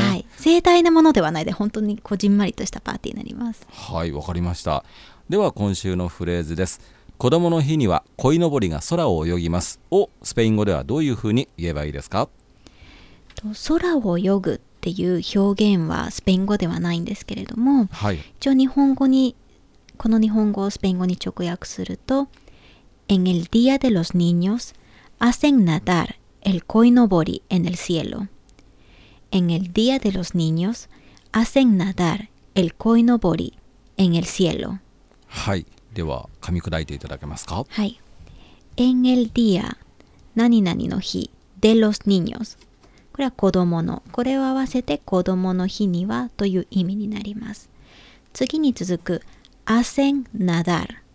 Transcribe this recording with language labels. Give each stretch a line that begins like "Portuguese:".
Japanese: はい、盛大なものではないで本当にこじんまりとしたパーティーになります。はい、わかりました。では今週のフレーズです。子供の日には鯉のぼりが空を泳ぎますをスペイン語ではどういうふうに言えばいいですか。空を泳ぐっていう表現はスペイン語ではないんですけれども、はい、一応日本語にこの日本語をスペイン語に直訳すると En el día de los niños hacen nadar el koi nobori en el cielo.
Spanish: En el día de los niños hacen nadar el koi nobori en el cielo.
Japanese: はい、では噛み砕いていただけますか。はい。 En el día 何々の日 de los niños、これは子供の、これを合わせて子供の日にはという意味になります。次に続く Hacen nadar.